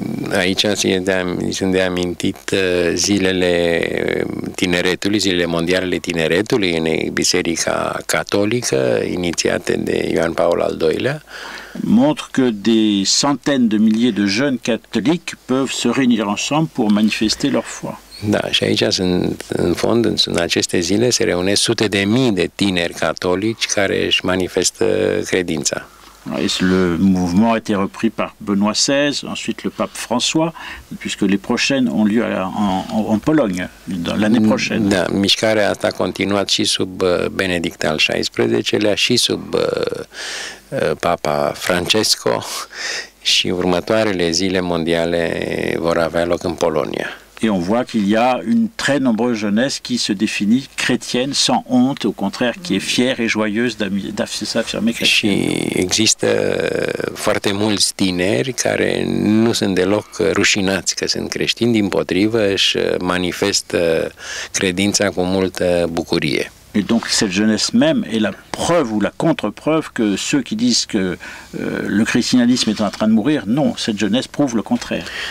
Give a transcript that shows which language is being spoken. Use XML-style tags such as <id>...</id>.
<ro>Aici sunt de amintit zilele tineretului, zilele mondiale tineretului în Biserica Catolică, inițiate de Ioan Paul al II-lea.</ro> <fr>Montre que des centaines de milliers de jeunes catholiques peuvent se réunir ensemble pour manifester leur foi.</fr> <ro>Da, și aici sunt, în fond, în aceste zile se reunesc sute de mii de tineri catolici care își manifestă credința.</ro> <fr>Le mouvement a été repris par Benoît XVI, ensuite le pape François, puisque les prochaines ont lieu en Pologne l'année prochaine.</fr> <ro>Da, mișcarea asta a continuat și sub Benedict al XVI-lea și sub Papa Francesco și următoarele zile mondiale vor avea loc în Polonia.</ro> <fr>Et on voit qu'il y a une très nombreuse jeunesse qui se définit chrétienne sans honte, au contraire, qui est fière et joyeuse d'affirmer chrétienne. Et</fr> <ro>există foarte mulți tineri care nu sunt deloc rușinați că sunt creștini, dimpotrivă, își manifestă credința cu multă bucurie.</ro> <fr>Et donc cette jeunesse même est la preuve ou la contre-preuve que ceux qui disent que le christianisme est en train de mourir, non, cette jeunesse prouve le contraire.</fr>